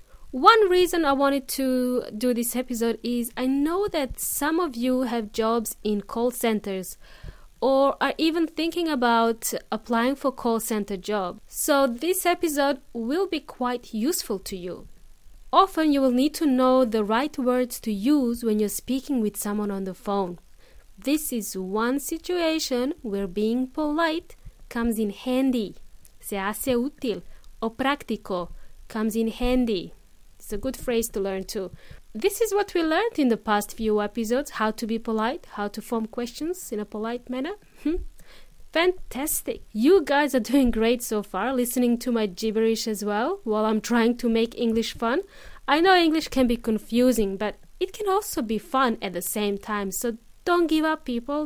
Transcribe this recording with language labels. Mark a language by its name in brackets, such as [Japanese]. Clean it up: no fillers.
[English] One reason I wanted to do this episode is I know that some of you have jobs in call centers or are even thinking about applying for call center job. So this episode will be quite useful to you. Often you will need to know the right words to use when you're speaking with someone on the phone. This is one situation where being polite comes in handy. [Spanish] Se hace útil o práctico [English] comes in handy. It's a good phrase to learn too. This is what we learned in the past few episodes, how to be polite, how to form questions in a polite manner. Fantastic! You guys are doing great so far, listening to my gibberish as well, while I'm trying to make English fun. I know English can be confusing, but it can also be fun at the same time, so don't give up, people.